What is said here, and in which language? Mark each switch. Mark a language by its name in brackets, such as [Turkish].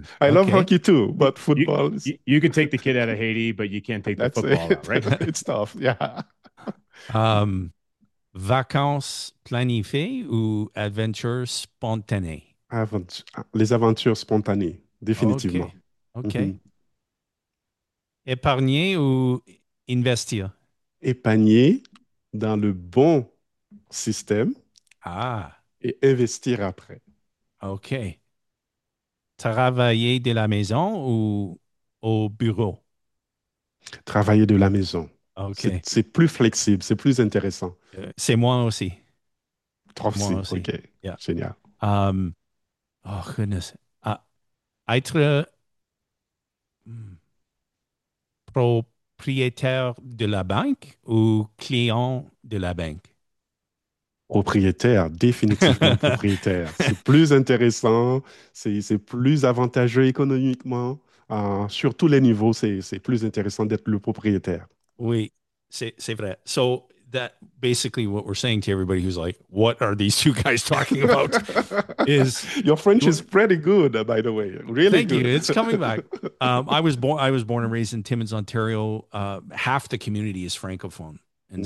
[English] I love hockey too, but football. You can take the kid out of Haiti, but you can't take the football out, right? It's tough. Yeah. [French] Vacances planifiées ou adventures spontanées? Les aventures spontanées, définitivement. Okay. Mm-hmm. Épargner ou investir? Épargner dans le bon système. Ah. Et investir après. OK. Travailler de la maison ou au bureau? Travailler de la maison. OK. C'est plus flexible, c'est plus intéressant. C'est moi aussi. Toi aussi. OK. [English] Yeah. [French] Génial. [English] Oh, goodness. [French] Être propriétaire de la banque ou client de la banque? Propriétaire, définitivement propriétaire. C'est plus intéressant, c'est plus avantageux économiquement. Sur tous les niveaux, c'est plus intéressant d'être le propriétaire. Oui, c'est vrai. [English] So, that basically what we're saying to everybody who's like, what are these two guys talking about? Is your French is pretty good, by the way. Really thank good. Thank you. It's coming back. I was born and raised in Timmins, Ontario. Half the community is Francophone. And mm-hmm.